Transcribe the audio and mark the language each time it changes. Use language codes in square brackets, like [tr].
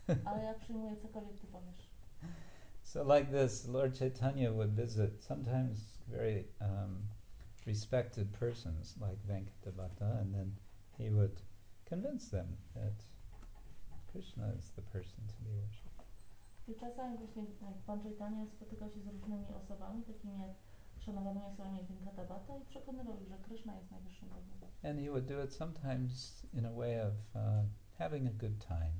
[pl] Ale ja przyjmuję cokolwiek ty powiesz. [en] So like this, Lord Chaitanya would visit sometimes very respected persons like Venkata Bhatta, and then he would convince them that Krishna is the person to be worshipped. [pl] I czasami właśnie Pan Chaitanya spotykał się z różnymi osobami, takimi jak szanowanymi osobami Venkata Bhatta, i przekonywał ich, że Krishna jest najwyższym Bogiem. [en] And he would do it sometimes in a way of having a good time.